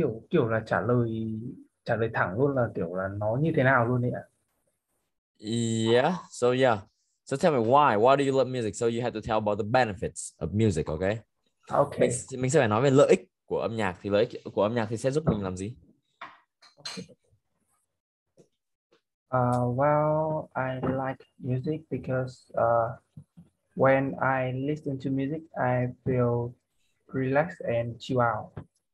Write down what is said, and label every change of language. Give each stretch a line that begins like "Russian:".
Vietnamese: Kiểu là trả lời thẳng luôn là kiểu là nó như thế nào luôn đấy ạ.
English: Yeah, so yeah. So tell me why do you love music? So you have to tell about the benefits of music, okay? Okay.
Vietnamese: Mình sẽ phải nói về lợi ích của âm nhạc, thì lợi ích của âm nhạc thì sẽ giúp mình làm gì?
English: Well, I like music because when I listen to music, I feel relaxed and chill out.